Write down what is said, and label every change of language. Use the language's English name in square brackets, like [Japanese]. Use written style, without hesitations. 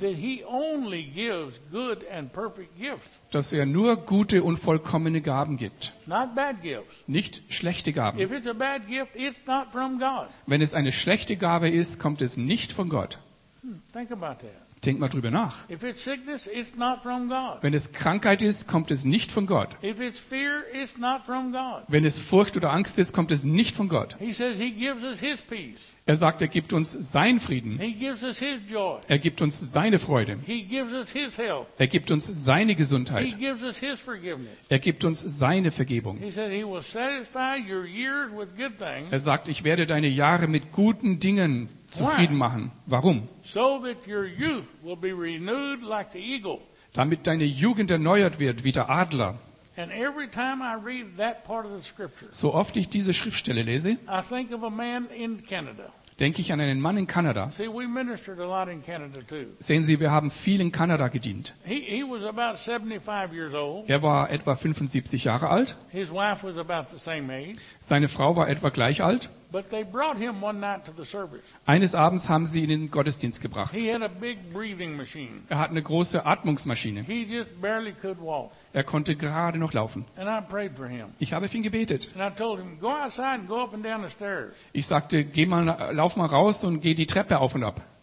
[English] that he only gives good and perfect gifts. [German] Dass er nur gute und vollkommene Gaben gibt. [English] Not bad gifts. [German] Nicht schlechte Gaben. [English] If it's a bad gift, it's not from God. [German] Wenn es eine schlechte Gabe ist, kommt es nicht von Gott. [English] Think about that. [German] Denk mal drüber nach. [English] If it's sickness, it's not from God. [German] Wenn es Krankheit ist, kommt es nicht von Gott. [English] If it's fear, it's not from God. [German] Wenn es Furcht oder Angst ist, kommt es nicht von Gott. [English] He says he gives us his peace. [German] Er sagt, er gibt uns seinen Frieden. [English] He gives us his joy. [German] Er gibt uns seine Freude. [English] He gives us his health. [German] Er gibt uns seine Gesundheit. [English] He gives us his forgiveness. [German] Er gibt uns seine Vergebung. [English] He says he will satisfy your years with good things. [German] Er sagt, ich werde deine Jahre mit guten Dingen zufrieden machen. Warum? [English] So that your youth will be renewed like the eagle. [German] Damit deine Jugend erneuert wird wie der Adler. [English] And every time I read that part of the scripture, [German] so oft ich diese Schriftstelle lese, [English] I think of a man in Canada. [German] Denke ich an einen Mann in Kanada. [English] See, we ministered a lot in Canada too. [German] Sehen Sie, wir haben viel in Kanada gedient. [English] He was about 75 years old. [German] Er war etwa 75 Jahre alt. [English] His wife was about the same age. [German] Seine Frau war etwa gleich alt. [English] But they brought him one night to the service. [German] Eines Abends haben sie ihn in den Gottesdienst gebracht. [English] He had a big breathing machine. [German] Er hat eine große Atmungsmaschine. [English] He just barely could walk. [German] Er konnte gerade noch laufen. [English] And I prayed for him. [German] Ich habe für ihn gebetet. [English] And I told him, go outside and go up and down the stairs. [German] Ich sagte, geh mal, lauf mal raus und geh die Treppe auf und ab.